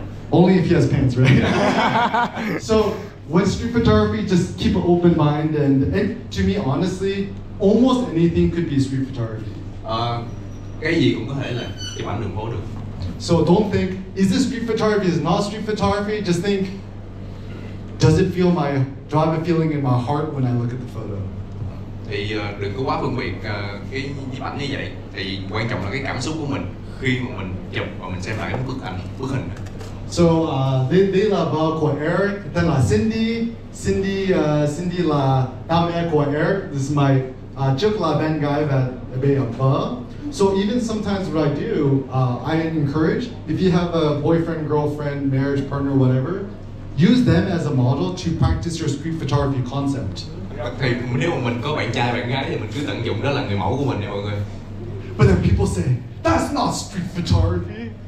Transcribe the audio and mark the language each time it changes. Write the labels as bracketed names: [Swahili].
[English] Only if he has pants, right? So, when street photography, just keep an open mind and to me, honestly, almost anything could be street photography. [Vietnamese] Cái gì cũng có thể là chụp ảnh đường phố được. [English] So don't think, is this street photography, is not street photography? Just think, does it feel my, drive a feeling in my heart when I look at the photo? [Vietnamese] Thì đừng có quá phân biệt cái nhiếp ảnh như vậy. Thì quan trọng là cái cảm xúc của mình khi mà mình chụp và mình xem lại cái bức hình. So đây là vợ của Eric, tên là Cindy. Cindy là tao mẹ của Eric. [English] This is my [Vietnamese] trước là bạn gái và bây giờ vợ. [English] So even sometimes what I do, I encourage, if you have a boyfriend, girlfriend, marriage partner, whatever, use them as a model to practice your street photography concept. [Vietnamese] Thì nếu mà mình có bạn trai bạn gái thì mình cứ tận dụng đó là người mẫu của mình nè mọi người. [English] But then people say that's not street photography.